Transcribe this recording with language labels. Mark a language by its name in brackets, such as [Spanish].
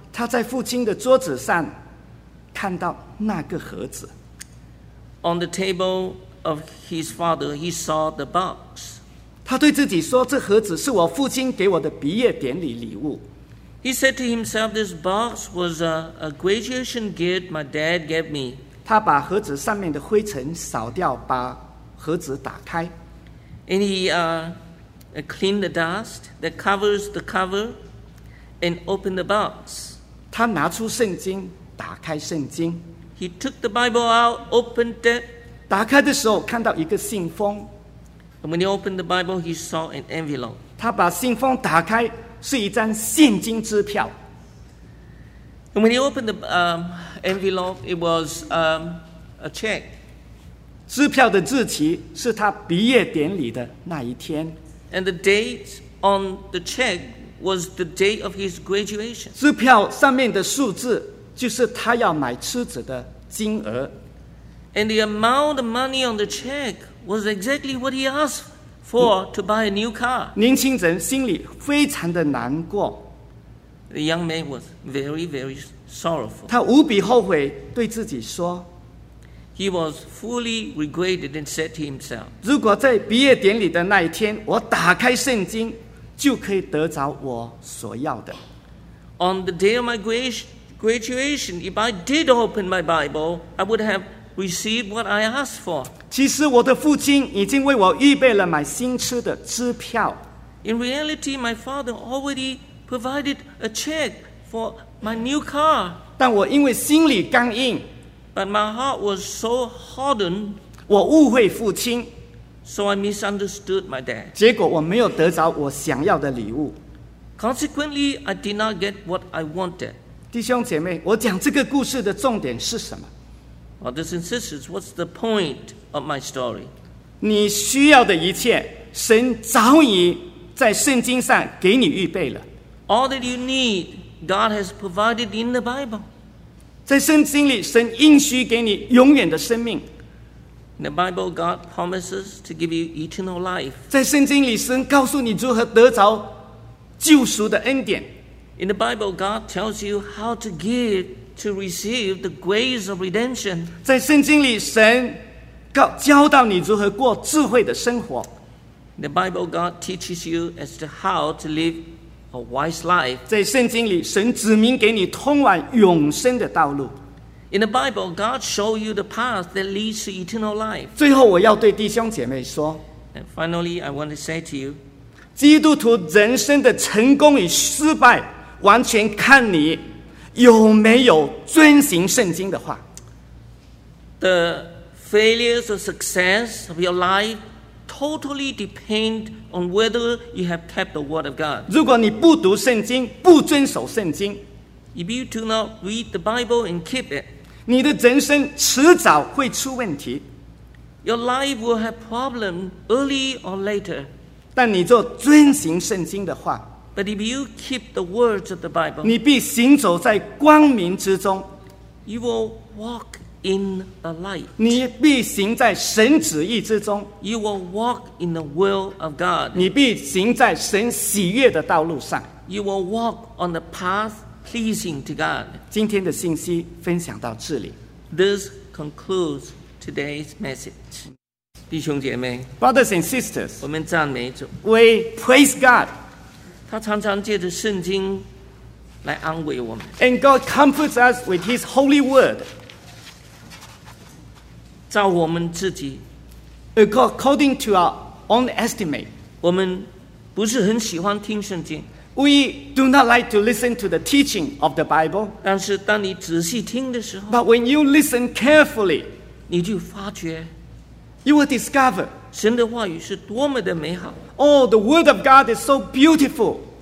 [Chinese] 他在父亲的桌子上看到那个盒子。 [English] On the table of his father, he saw the box. [Chinese] 他对自己说：“这盒子是我父亲给我的毕业典礼礼物。” [English] He said to himself, "This box was a graduation gift my dad gave me." [Chinese] 他把盒子上面的灰尘扫掉，把盒子打开。 [English] And he cleaned the dust that covers the cover and opened the box. [Chinese] 他拿出圣经，打开圣经。 [English] He took the Bible out, opened it. [Chinese] 打开的时候，看到一个信封。 [English] And when he opened the Bible, he saw an envelope. [Chinese] 他把信封打开，是一张现金支票。 [English] And when he opened the envelope, it was a check. [Chinese] 支票的日期是他毕业典礼的那一天。 [English] And the date on the check was the day of his graduation. [Chinese] 支票上面的数字就是他要买车子的金额。 [English] And the amount of money on the check. Was exactly what he asked for to buy a new car. [Chinese] 年轻人心里非常的难过。 [English] The young man was very, very sorrowful. [Chinese] 他无比后悔，对自己说。 [English] He was fully regretted and said to himself, [Chinese] 如果在毕业典礼的那一天，我打开圣经，就可以得着我所要的。 [English] On the day of my graduation, if I did open my Bible, I would have received what I asked for. [Chinese] 其实我的父亲已经为我预备了买新车的支票。 [English] In reality, my father already provided a check for my new car. [Chinese] 但我因为心里刚硬 [English] ，But my heart was so hardened. [Chinese] 我误会父亲 [English] ，So I misunderstood my dad. [Chinese] 结果我没有得着我想要的礼物。 [English] Consequently, I did not get what I wanted. [Chinese] 弟兄姐妹，我讲这个故事的重点是什么？ [English] Brothers and sisters, what's the point of my story? [Chinese] 你需要的一切，神早已在圣经上给你预备了。 [English] All that you need, God has provided in the Bible. [Chinese] 在圣经里，神应许给你永远的生命。 [English] In the Bible, God promises to give you eternal life. [Chinese] 在圣经里，神告诉你如何得着救赎的恩典。 [English] In the Bible, God tells you how to give. To receive the grace of redemption. [Chinese] 在圣经里，神教导你如何过智慧的生活。 [English] The Bible God teaches you as to how to live a wise life. [Chinese] 在圣经里，神指明给你通往永生的道路。 [English] In the Bible, God show you the path that leads to eternal life. [Chinese] 最后，我要对弟兄姐妹说。 [English] And finally, I want to say to you, [Chinese] 基督徒人生的成功与失败，完全看你有没有遵行圣经的话。 [English] The failures or success of your life totally depend on whether you have kept the word of God. [Chinese] 如果你不读圣经，不遵守圣经， [English] if you do not read the Bible and keep it, [Chinese] 你的人生迟早会出问题。 [English] Your life will have problems early or later. [Chinese] 但你若遵行圣经的话， [English] but if you keep the words of the Bible, [Chinese] 你必行走在光明之中。 [English] You will walk in the light. [Chinese] 你必行在神旨意之中。 [English] You will walk in the will of God. [Chinese] 你必行在神喜悦的道路上。 [English] You will walk on the path pleasing to God. [Chinese] 今天的信息分享到这里。 [English] This concludes. Today's message. [Chinese] 弟兄姐妹 [English] Brothers and sisters, [Chinese] 我们赞美主 [English] We praise God. [Chinese] 他常常借着圣经来安慰我们 [English] And God comforts us with His holy word. [Chinese] 照我们自己 [English] According to our own estimate, [Chinese] 我们不是很喜欢听圣经 [English] We do not like to listen to the teaching of the Bible. [Chinese] 但是当你仔细听的时候 [English] But when you listen carefully, [Chinese] 你就发觉 [English] You will discover [Chinese] 神的话语是多么的美好 [English] Oh, the word of God is so beautiful